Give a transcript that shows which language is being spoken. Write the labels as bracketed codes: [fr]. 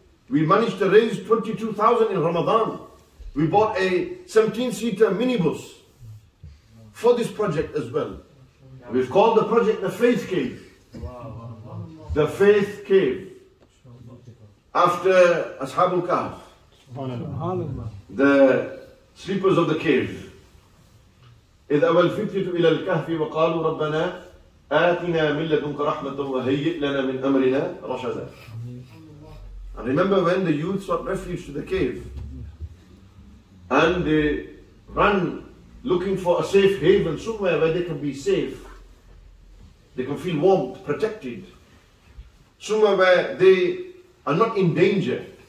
[en] We managed to raise £22,000 in Ramadan. We bought a 17-seater minibus for this project as well. We've called the project the Faith Cave. The Faith Cave. After Ashabul Kahf. The sleepers of the cave. [ar] إذ أوى الفتية إلى الكهف وقالوا ربنا آتنا من لدنك رحمة وهيئ لنا من أمرنا رشدا. [en] And remember when the youths sought refuge to the cave and they ran looking for a safe haven, somewhere where they can be safe, they can feel warmth, protected, somewhere where they are not in danger.